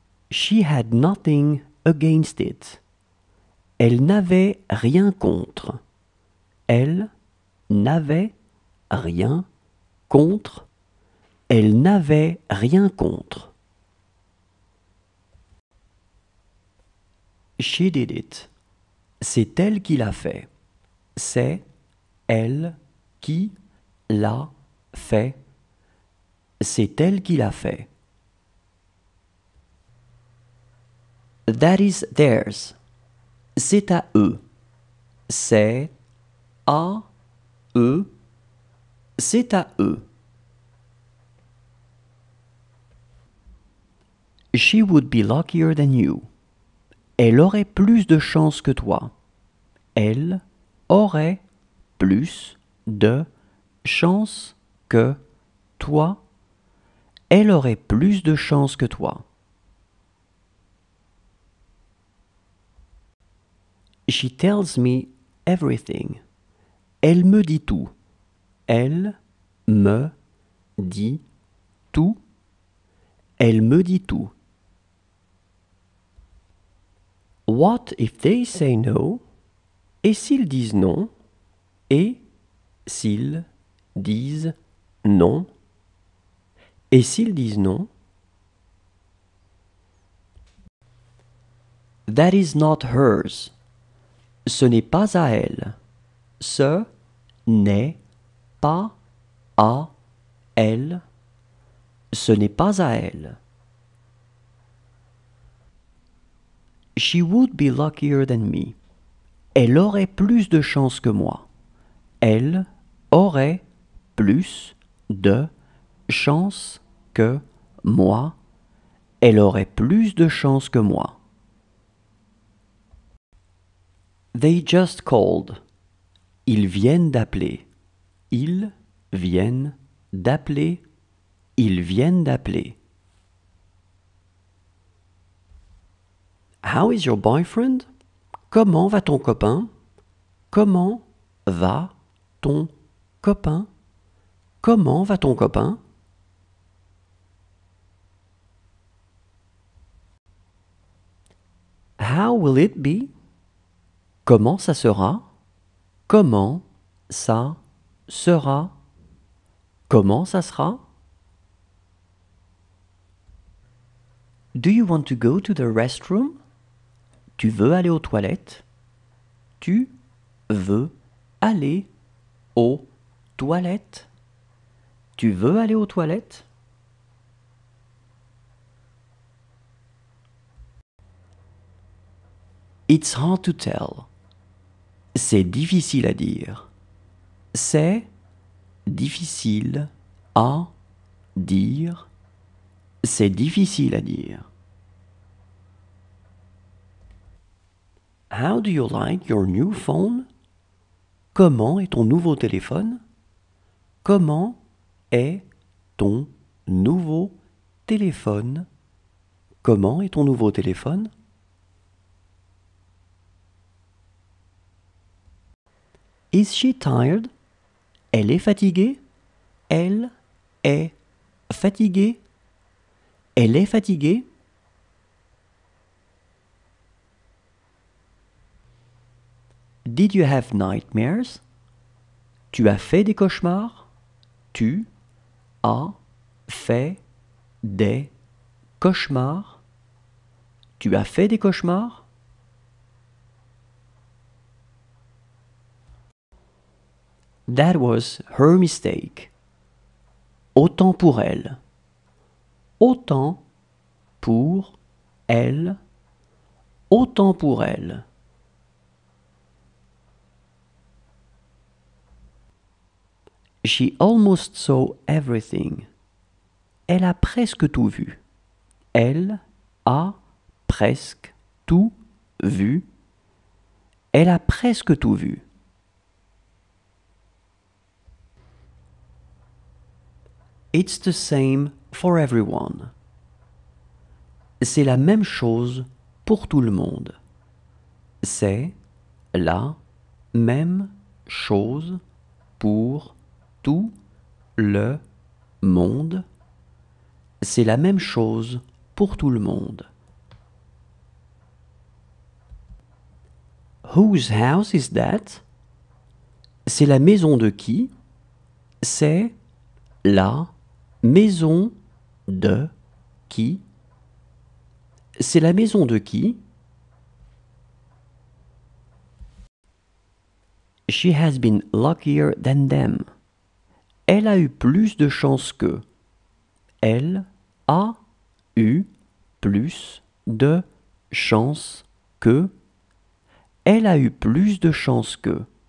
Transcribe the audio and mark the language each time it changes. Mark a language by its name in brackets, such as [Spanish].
[English] She had nothing against it. [French] Elle n'avait rien contre. Elle n'avait rien contre. Elle n'avait rien contre. [English] She did it. [French] C'est elle qui l'a fait. C'est elle qui l'a fait. C'est elle qui l'a fait. [English] That is theirs. [French] C'est à eux. C'est à eux. C'est à eux. [English] She would be luckier than you. [French] Elle aurait plus de chance que toi. Elle aurait plus de chance que toi. Elle aurait plus de chance que toi. [English] She tells me everything. [French] Elle me dit tout. Elle me dit tout. Elle me dit tout. [English] What if they say no? [French] Et s'ils disent non? Et s'ils disent non? Et s'ils disent non? [English] That is not hers. [French] Ce n'est pas à elle. Ce n'est pas à elle. Ce n'est pas à elle. [English] She would be luckier than me. [French] Elle aurait plus de chance que moi. Elle aurait plus de chance que moi. Elle aurait plus de chance que moi. [English] They just called. [French] Ils viennent d'appeler. Ils viennent d'appeler. Ils viennent d'appeler. [English] How is your boyfriend? [French] Comment va ton copain? Comment va ton copain? Comment va ton copain? [English] How will it be? [French] Comment ça sera? Comment ça sera? Comment ça sera? [English] Do you want to go to the restroom? [French] Tu veux aller aux toilettes? Tu veux aller aux toilettes? Tu veux aller aux toilettes? [English] It's hard to tell. [French] C'est difficile à dire. C'est difficile à dire. C'est difficile à dire. [English] How do you like your new phone? [French] Comment est ton nouveau téléphone? Comment est ton nouveau téléphone? Comment est ton nouveau téléphone? [English] Is she tired? [French] Elle est fatiguée? Elle est fatiguée? Elle est fatiguée? [English] Did you have nightmares? [French] Tu as fait des cauchemars? Tu as fait des cauchemars? Tu as fait des cauchemars? [English] That was her mistake. [French] Autant pour elle. Autant pour elle. Autant pour elle. [English] She almost saw everything. [French] Elle a presque tout vu. Elle a presque tout vu. Elle a presque tout vu. [English] It's the same for everyone. [French] C'est la même chose pour tout le monde. C'est la même chose pour tout le monde. C'est la même chose pour tout le monde. [English] Whose house is that? [French] C'est la maison de qui? C'est la maison de qui? C'est la maison de qui? [English] She has been luckier than them. [French] Elle a eu plus de chance qu'eux. Elle a eu plus de chance qu'eux. Elle a eu plus de chance qu'eux.